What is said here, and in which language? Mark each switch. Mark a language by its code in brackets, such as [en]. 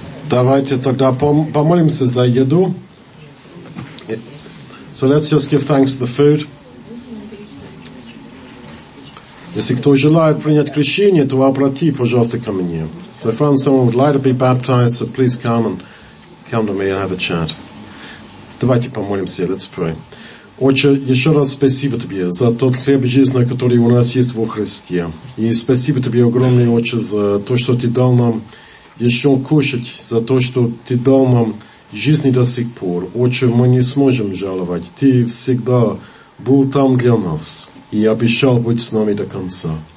[ru] Давайте тогда помолимся за еду. [en] So let's just give thanks to the food. [ru] Если кто желает принять крещение, то обрати, пожалуйста, ко мне. [en] So if someone would like to be baptized, so please come to me and have a chat. [ru] Давайте помолимся. [en] Let's pray. [ru] Отче, еще раз спасибо тебе за тот хлеб жизни, который у нас есть во Христе. И спасибо тебе огромное, Отче, за то, что ты дал нам еще кушать, за то, что ты дал нам жизни до сих пор. Отче, мы не сможем жаловать. Ты всегда был там для нас и обещал быть с нами до конца.